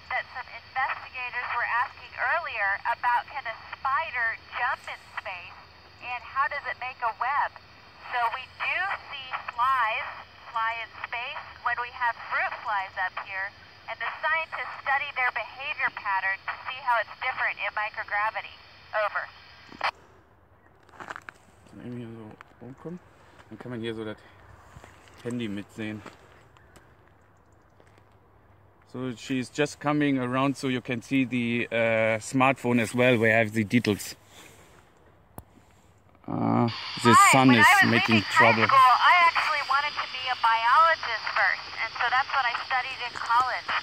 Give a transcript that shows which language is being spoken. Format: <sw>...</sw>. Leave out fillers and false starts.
<en>about can a spider jump in space and how does it make a web. So we do see flies fly in space when we have fruit flies up here and the scientists study their behavior pattern to see how it's different in microgravity. Over.</en> <de>Wenn man hier so rumkommt, dann kann man hier so das Handy mitsehen.</de> <en>So she's just coming around so you can see the smartphone as well, where I have the details. The Hi, sun is making trouble. School, I actually wanted to be a biologist first, and so that's what I studied in college.</en>